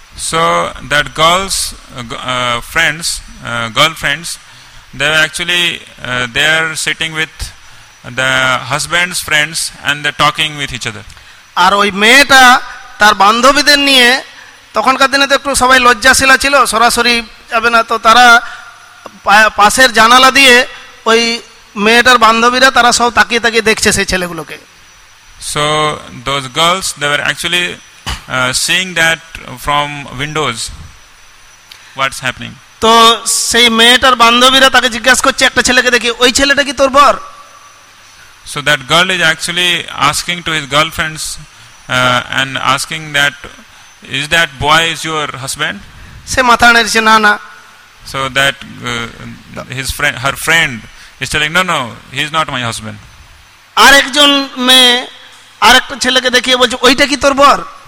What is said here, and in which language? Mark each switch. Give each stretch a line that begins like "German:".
English: So that girls friends girlfriends they are actually they are sitting with the husbands friends and they talking with each other.
Bangla: আর ওই মেয়েটা তার বান্ধবীদের নিয়ে, তখনকার দিনে তো একটু সবাই লজ্জাশীল ছিল, সরাসরি যাবে না, তো তারা পাশের জানালা দিয়ে ওই মেয়েটার বান্ধবীরা তারা সব তাকিয়ে তাকিয়ে দেখছে সেই ছেলেগুলোকে।
English: So those girls, they were actually seeing that from windows, what's happening.
Bangla: তো সেই মেয়েটার বান্ধবীরা তাকে জিজ্ঞাসা করছে, একটা ছেলেকে দেখি, ওই ছেলেটা কি তোর বর?
English: So that girl is actually asking to his girlfriends and asking that, is that boy is your husband?
Bangla: সে মাথা নেড়েছে, না না.
English: So that his friend, her friend is telling, no, no, he is not my husband.
Bangla: আরেকজন মেয়ে আরেকটা ছেলেকে দেখিয়ে বলছে, ওইটা কি তোর বর?